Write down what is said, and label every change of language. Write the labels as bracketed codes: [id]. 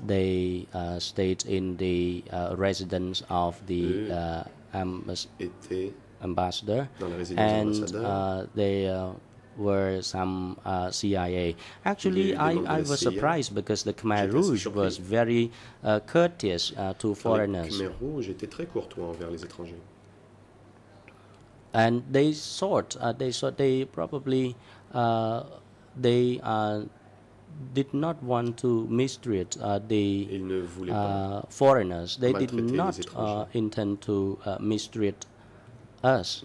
[en] They stayed in the residence of the embassy. Ambassador, and there were some CIA. Actually, I was surprised because the Khmer Rouge was very courteous to foreigners. [fr] Khmer Rouge était très courtois envers les étrangers. [en] And they thought they probably they did not want to mistreat the foreigners. They did not intend to mistreat us.